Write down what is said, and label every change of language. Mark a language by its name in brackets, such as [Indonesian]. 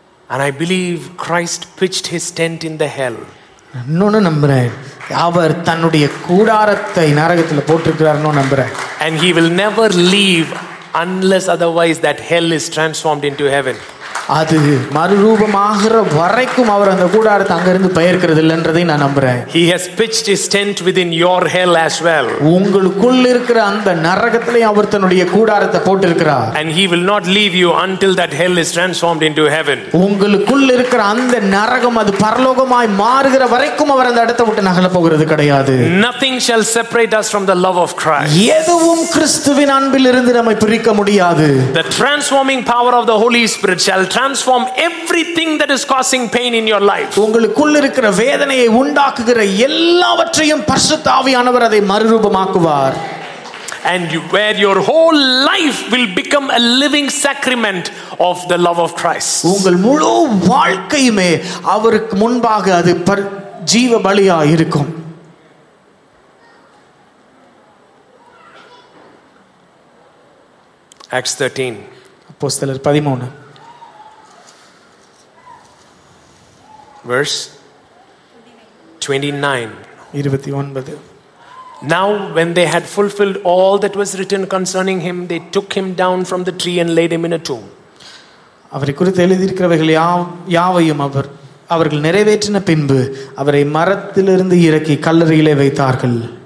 [English] And I believe Christ pitched his tent in the hell. [Tamil] நான் நம்புறேன். அவர் தன்னுடைய கூடாரத்தை நரகத்துல போட்டுக்கிறாருன்னு நம்புறேன். [English] And he will never leave unless otherwise that hell is transformed into heaven. [Tamil] அது மறுரூபமாகற வரைக்கும் அவர் அந்த கூடாரத்தை அங்கிருந்து பெயர்க்கிறது இல்லைன்றதை நான் நம்புறேன். [English] He has pitched his tent within your hell as well. [Tamil] உங்களுக்குள்ள இருக்கிற அந்த நரகத்திலேயே அவர் தன்னுடைய கூடாரத்தை போட்டிருக்கிறார். [English] And he will not leave you until that hell is transformed into heaven. [Tamil] உங்களுக்குள்ள இருக்கிற அந்த நரகம் அது பரலோகமாய் மாறுகிற வரைக்கும் அவர் அந்த இடத்தை விட்டு நகல போகிறது கிடையாது. [English] Nothing shall separate us from the love of Christ. [Tamil] எதுவும் கிறிஸ்துவின் அன்பிலிருந்து நம்மை பிரிக்க முடியாது. [English] The transforming power of the Holy Spirit shall transform everything that is causing pain in your life. [Tamil] உங்களுக்குள்ள இருக்கிற வேதனையை உண்டாக்குகிற எல்லாவற்றையும் பரிசுத்த ஆவியானவர் அதை மறுரூபமாக்குவார். [English] And where your whole life will become a living sacrament of the love of Christ. [Tamil] உங்கள் முழு வாழ்க்கையுமே அவருக்கு முன்பாக அது ஜீவ பலியா இருக்கும். [English] Acts 13. [Tamil] அப்போஸ்தலர் 13. [English] Verse 29. Now when they had fulfilled all that was written concerning him, they took him down from the tree and laid him in a tomb. [Tamil] அவரை குறித்து எழுதியிருக்கிறவைகள் யாவையும் அவர்கள் நிறைவேற்றின பின்பு அவரை மரத்திலிருந்து இறக்கி கல்லறையிலே வைத்தார்கள்.